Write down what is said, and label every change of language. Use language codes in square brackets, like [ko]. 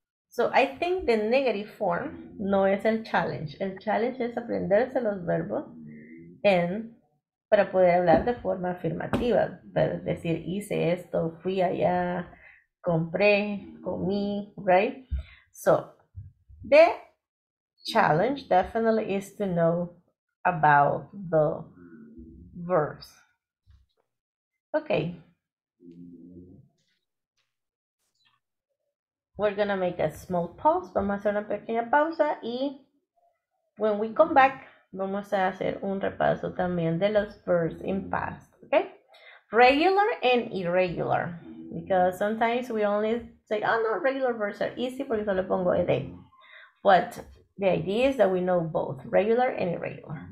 [en] So I think the negative form [es] no es el [en] challenge. [es] El challenge es aprenderse los verbos en para poder hablar de forma afirmativa, para decir hice esto, fui allá, compré, comí, right? [en] So the challenge definitely is to know about the verbs. Okay. We're gonna make a small pause. [es] Vamos a hacer una pequeña pausa. [en] Y when we come back, [es] vamos a hacer un repaso también de los [en] verbs in past, [es] okay? [en] Regular and irregular, because sometimes we only say, oh no, regular verbs are easy [es] porque solo pongo [en] ed. But the idea is that we know both regular and irregular.